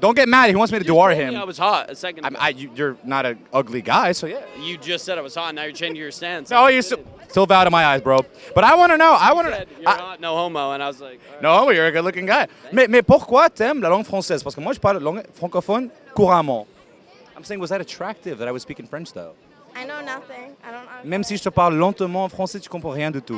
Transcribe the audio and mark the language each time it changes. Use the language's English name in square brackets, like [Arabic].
[English] Don't get mad. He wants me to duar him. I was hot a second ago. You're not an ugly guy, so yeah. You just said I was hot, and now you're changing your stance. No, you're still bowed in my eyes, bro. But I want to know. You're not, no homo, and I was like, right. No, you're a good-looking guy. [French] Mais pourquoi t'aimes la langue française? Parce que moi, je parle langue francophone couramment. [English] I'm saying, was that attractive that I was speaking French, though? I know nothing. I don't know. [French] Même si je te parle lentement en français, tu comprends rien du tout.